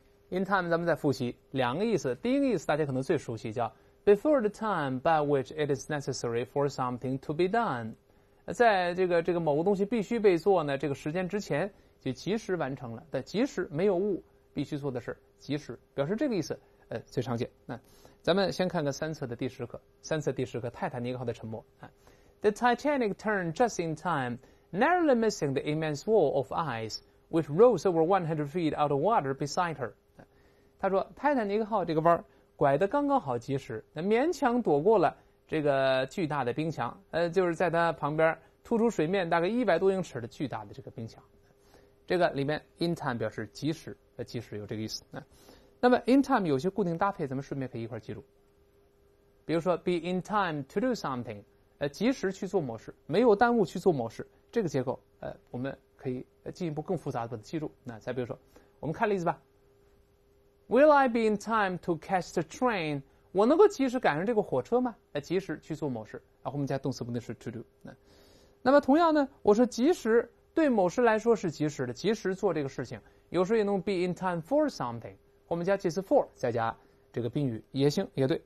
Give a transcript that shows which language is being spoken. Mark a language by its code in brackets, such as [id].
[zh] In time 咱们再复习两个意思，第一个意思大家可能最熟悉，叫 [en] before the time by which it is necessary for something to be done， [zh] 在这个某个东西必须被做呢这个时间之前就及时完成了，但及时没有误，必须做的事及时，表示这个意思最常见。那咱们先看看三册的第十课，三册第十课泰坦尼克号的沉没。 [en] The Titanic turned just in time, narrowly missing the immense wall of ice which rose over 100 feet out of water beside her。 [zh] 他说泰坦尼克号这个弯拐得刚刚好及时，那勉强躲过了这个巨大的冰墙，就是在他旁边突出水面大概100多英尺的巨大的这个冰墙。这个里面 in time 表示及时，及时有这个意思。那么 in time 有些固定搭配咱们顺便可以一块记住。比如说 [en] be in time to do something， [zh] 及时去做某事，没有耽误去做某事，这个结构我们可以进一步更复杂的把它记住。那再比如说我们看例子吧。 [en] Will I be in time to catch the train? [zh] 我能够及时赶上这个火车吗？及时去做某事，然后我们加动词不定式 to do。那么同样呢，我说及时对某事来说是及时的，及时做这个事情，有时候也能 [en] be in time for something， [zh] 我们加介词 for 再加这个宾语也行也对。